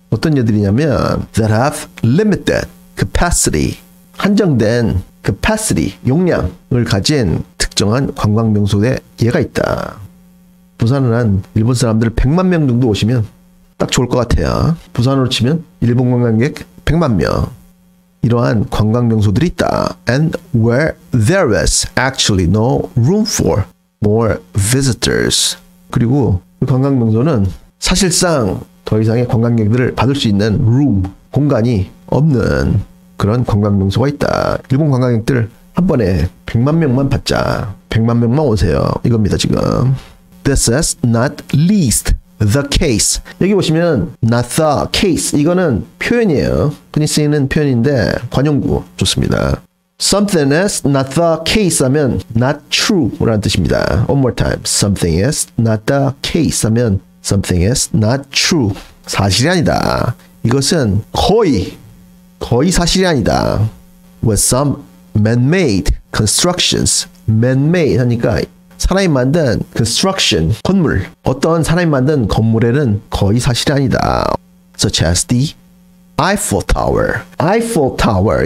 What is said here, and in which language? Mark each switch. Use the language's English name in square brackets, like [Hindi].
[Korean] 어떤 예들이냐면 [English] that have limited capacity [Korean] 한정된 capacity 용량을 가진 특정한 관광 명소에 예가 있다. 부산은 한 일본 사람들 100만 명 정도 오시면 딱 좋을 것 같아요. 부산으로 치면 일본 관광객 100만 명. 이러한 관광 명소들이 있다. [English] And where there is actually no room for more visitors. [Korean] 그리고 그 관광 명소는 사실상 더 이상의 관광객들을 받을 수 있는 room, 공간이 없는 그런 관광 명소가 있다. 일본 관광객들 한 번에 100만 명만 받자. 100만 명만 오세요. 이겁니다, 지금. [English] This is not least the case. [Korean] 여기 보시면 [English] not the case. [Korean] 이거는 표현이에요. 흔히 쓰이는 표현인데 관용구 좋습니다. [English] Something is not the case 하면 not true라는 뜻입니다. One more time. Something is not the case 하면 something is not true. [Korean] 사실이 아니다. 이것은 거의 사실이 아니다. [English] With some man-made constructions. Man-made [Korean] 하니까 사람이 만든 [English] construction, 건물. [Korean] 어떤 사람이 만든 건물에는 거의 사실이 아니다. [English] Such as the Eiffel Tower. Eiffel Tower.